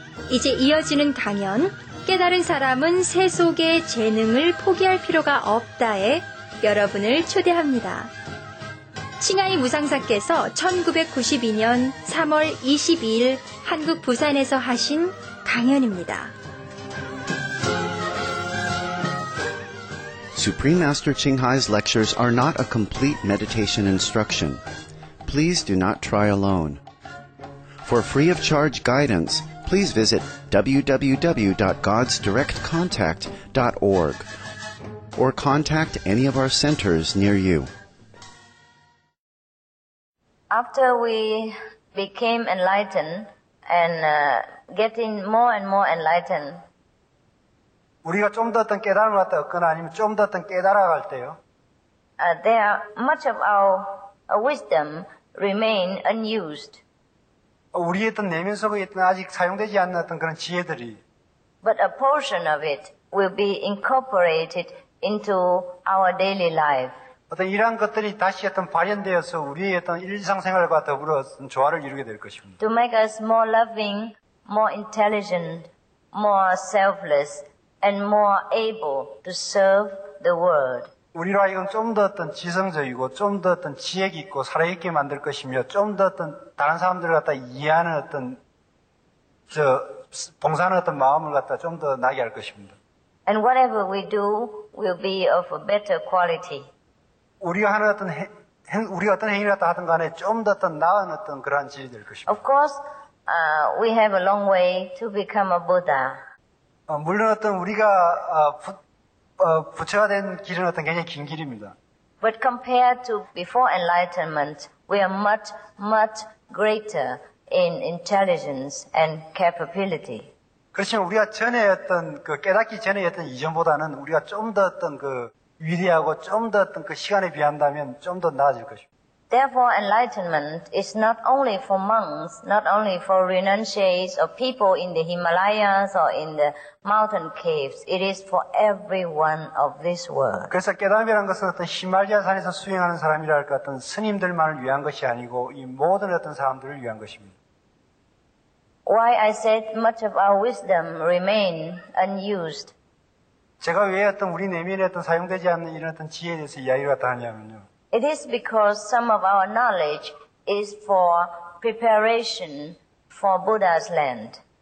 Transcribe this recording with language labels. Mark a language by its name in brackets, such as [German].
[Korean] 이제 이어지는 강연, 깨달은 사람은 새 속의 재능을 포기할 필요가 없다에 여러분을 초대합니다. 칭하이 무상사께서 1992년 3월 22일 한국 부산에서 하신 강연입니다. [English] Supreme Master Qinghai's lectures are not a complete meditation instruction. Please do not try alone. For free of charge guidance, please visit www.godsdirectcontact.org or contact any of our centers near you. After we became enlightened and getting more and more enlightened, [Korean] 우리가 좀 더 어떤 깨달음을 갖다 얻거나 아니면 좀 더 어떤 깨달아갈 때요. [English] There much of our wisdom remain unused. [Korean] 우리의 어떤 내면 속에 있던 아직 사용되지 않는 어떤 그런 지혜들이. [English] But a portion of it will be incorporated into our daily life. [Korean] 어떤 이러한 것들이 다시 어떤 발현되어서 우리의 어떤 일상생활과 더불어 어떤 조화를 이루게 될 것입니다. [English] To make us more loving, more intelligent, more selfless, and more able to serve the world. [Korean] 우리로 하여금 좀 더 어떤 지성적이고 좀 더 어떤 지혜 있고 살아있게 만들 것이며 좀 더 어떤 다른 사람들을 갖다 이해하는 어떤 저 봉사하는 어떤 마음을 갖다 좀 더 나게 할 것입니다. [English] And whatever we do will be of a better quality. [Korean] 우리가 하는 어떤 우리가 어떤 행위를 갖다 하든 간에 좀 더 어떤 나은 어떤 그러한 지혜 될 것입니다. [English] Of course, we have a long way to become a Buddha. [Korean] 물론 어떤 우리가 부처가 된 길은 어떤 굉장히 긴 길입니다. [English] But compared to before enlightenment, we are much, much greater in intelligence and capability. [Korean] 그렇지만 우리가 전에 어떤 그 깨닫기 전에 어떤 이전보다는 우리가 좀 더 어떤 그 위대하고 좀 더 어떤 그 시간에 비한다면 좀 더 나아질 것입니다. [English] Therefore, enlightenment is not only for monks, not only for renunciates or people in the Himalayas or in the mountain caves. It is for everyone of this world. [Korean] 그래서 깨달음이라는 것은 어떤 히말라야 산에서 수행하는 사람이라 할 것 같은 스님들만을 위한 것이 아니고 이 모든 어떤 사람들을 위한 것입니다. [English] Why I said much of our wisdom remain unused. [Korean] 제가 왜 어떤 우리 내면에 어떤 사용되지 않는 이런 어떤 지혜에 대해서 이야기를 갖다 하냐면요. [English] It is because some of our knowledge is for preparation for Buddha's land.